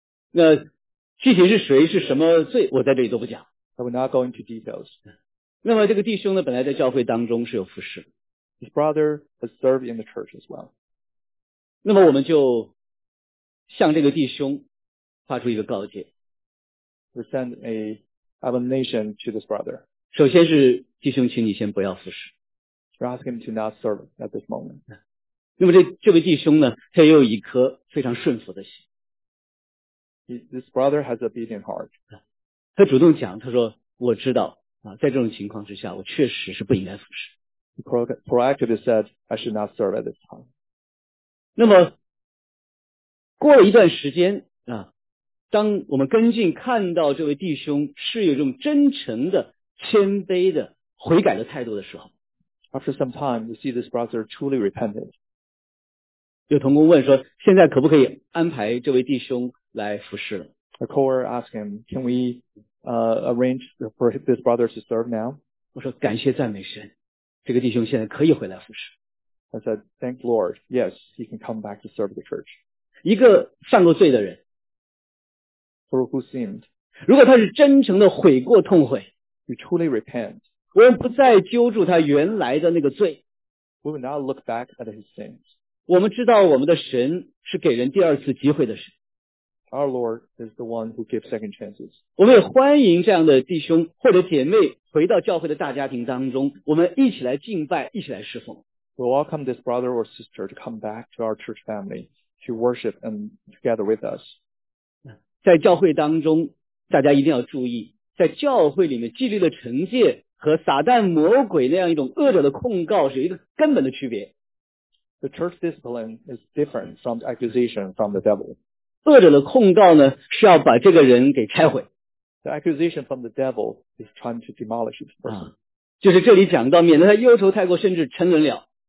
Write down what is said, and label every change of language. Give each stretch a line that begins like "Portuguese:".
Chinese: 那具体是谁是什么罪我在这里都不讲。
English: I will not go into details.
Chinese: 那么这个弟兄呢本来在教会当中是有服侍。
English: His brother has served in the church as well.
Chinese: 那么我们就向这个弟兄发出一个告诫。
English: We send a admonition to this brother.
Chinese: 首先是弟兄请你先不要服侍。
English: We ask him to not serve at this moment.
Chinese: 那么这位弟兄呢他也有一颗非常顺服的心。
English: This brother has a beating heart.
Chinese: 他主动讲他说我知道啊，在这种情况之下我确实是不应该服侍。
English: He proactively said, I should not serve at this time.
Chinese: 那么过了一段时间啊，当我们跟进看到这位弟兄是有这种真诚的谦卑的悔改的态度的时候，
English: After some time, you see this brother truly repented.
Chinese: 有同工问说现在可不可以安排这位弟兄来服侍了。
English: A caller asked him, can we arrange for this brother to serve now?
Chinese: 我说感谢赞美神，这个弟兄现在可以回来服侍。
English: I said, thank the Lord, yes, he can come back to serve the church.
Chinese: 一个犯过罪的人，
English: For who sinned?
Chinese: 如果他是真诚的悔过痛悔，
English: You truly repent.
Chinese: 我们不再揪住他原来的那个罪，
English: We will not look back at his sins.
Chinese: 我们知道我们的神是给人第二次机会的神。
English: Our Lord is the one who gives second chances.
Chinese: 我们也欢迎这样的弟兄或者姐妹回到教会的大家庭当中，我们一起来敬拜，一起来侍奉。
English: We welcome this brother or sister to come back to our church family to worship and together with us.
Chinese: 在教会当中，大家一定要注意，在教会里面纪律的惩戒和撒旦魔鬼那样一种恶者的控告是有一个根本的区别。
English: The church discipline is different from the accusation from the devil.
Chinese: 恶者的控告呢是要把这个人给拆毁。
English: The accusation from the devil is trying to demolish this person.
Chinese: 就是这里讲到免得他忧愁太过甚至沉沦了。